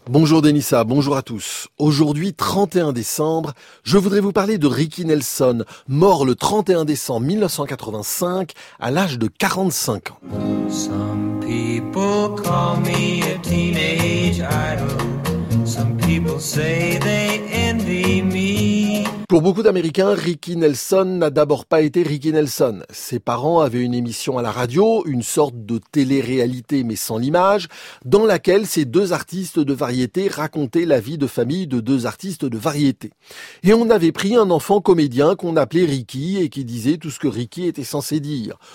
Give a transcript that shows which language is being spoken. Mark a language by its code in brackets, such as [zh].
[fr] Bonjour Denisa, bonjour à tous. Aujourd'hui, 31 décembre, je voudrais vous parler de Ricky Nelson, mort le 31 décembre 1985 à l'âge de 45 ans. [en] Some people call me a teenage idol. Some people say they envy me. [fr] Pour beaucoup d'Américains, Ricky Nelson n'a d'abord pas été Ricky Nelson. Ses parents avaient une émission à la radio, une sorte de télé-réalité mais sans l'image, dans laquelle ces deux artistes de variété racontaient la vie de famille de deux artistes de variété. Et on avait pris un enfant comédien qu'on appelait Ricky et qui disait tout ce que Ricky était censé dire.